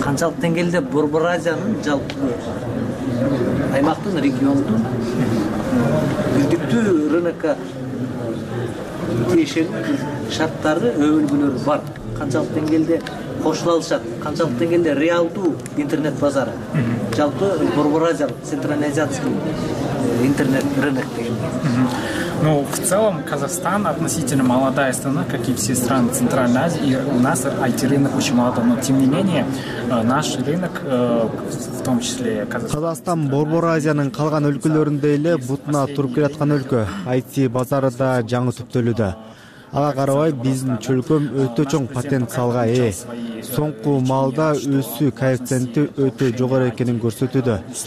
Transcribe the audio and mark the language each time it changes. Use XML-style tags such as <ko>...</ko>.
<ky>Канчалык деңгээлде борбор азиянын жалпы аймактын, региондун билдиктүү рынокко тиешелүү шарттары, өбөлгөлөрү бар? Канчалык деңгээлде кошула алышат? Канчалык деңгээлде реалдуу интернет базары, жалпы борбор азиялык централизацияны интернет рынок деген?</ky> <ru>Ну, в целом Казахстан относительно молодая страна, как и все страны Центральной Азии, и у нас IT-рынок очень молодой, но тем не менее наш рынок, в том числе</ru> <ky>Казахстан, борбор Азиянын калган өлкөлөрүндө эле бутуна туруп келаткан өлкө. IT-базары да жаңы түптөлүүдө. Ага карабай биздин чөлкөм өтө чоң потенциалга ээ. Соңку маалда өсүү коэффициенти өтө жогору экенин көрсөтүүдө.</ky>